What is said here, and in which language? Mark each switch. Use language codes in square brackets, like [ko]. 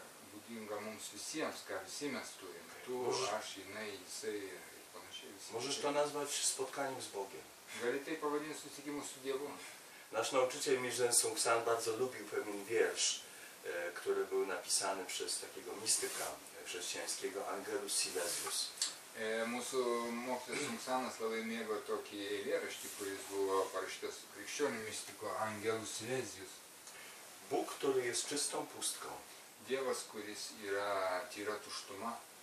[lt] Budinga mums visiems, ką visi mes turime. Tu, aš, jinai, jisai ir panašiai visi. [pl] Możesz to nazwać spotkaniem z Bogiem. [lt] Gali tai pavadinti susitikimu su Dievu. [pl] Nasz nauczyciel Mizhen Sung San bardzo lubił pewien wiersz, który był napisany przez takiego mistyka chrześcijańskiego, Angelus Silesius. [lt] Mūsų mokslės Sungsanas labai mėgo tokį eilėraštį, kuris buvo parašytas krikščionių mistiko Angelus Silesius. [pl] Bóg, który jest czystą pustką, [lt] Dievas, kuris yra tyra tuštuma,